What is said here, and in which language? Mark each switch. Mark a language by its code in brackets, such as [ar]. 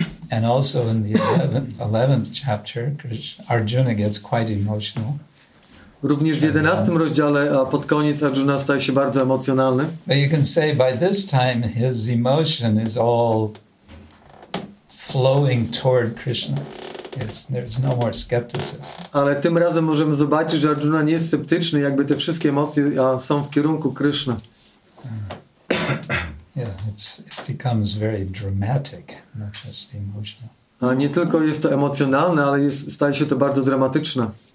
[en] And also in the 11th chapter, Arjuna gets quite emotional. [pl] Również w 11 rozdziale, a pod koniec Arjuna staje się bardzo emocjonalny. [en] But you can say by this time his emotion is all flowing toward Krishna. There's no more skepticism. [pl] Ale tym razem możemy zobaczyć, że Arjuna nie jest sceptyczny, jakby te wszystkie emocje są w kierunku Krishna. [en] It becomes very dramatic, not just emotional. [pl] A nie tylko jest to emocjonalne, ale staje się to bardzo dramatyczne.